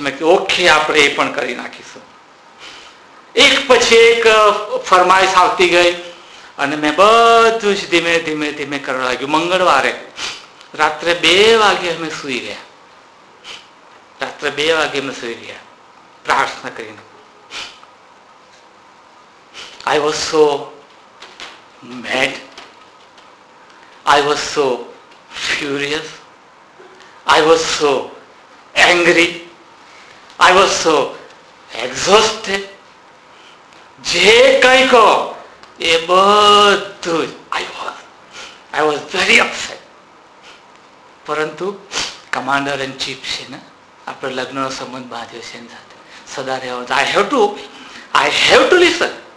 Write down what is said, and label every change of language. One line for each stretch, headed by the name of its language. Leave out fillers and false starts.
Gujarati: મેં કીધું ઓકે, આપણે એ પણ કરી નાખીશું. એક પછી એક ફરમાઈશ આવતી ગઈ અને મેં બધું જ ધીમે ધીમે ધીમે કરવા લાગ્યું. મંગળવારે રાત્રે બે વાગે અમે સુઈ ગયા, રાત્રે બે વાગે અમે સુઈ ગયા પ્રાર્થના કરીને.
English: I was so mad, I was so furious, I was so angry, I was so exhausted.
Gujarati: જે કઈ કહો એ બધું,
English: I was very upset.
Gujarati: પરંતુ કમાન્ડર ઇન ચીફ છે ને, આપણે લગ્નનો સંબંધ બાંધ્યો છે એની સાથે, સદા રહેવા,
English: I have to listen.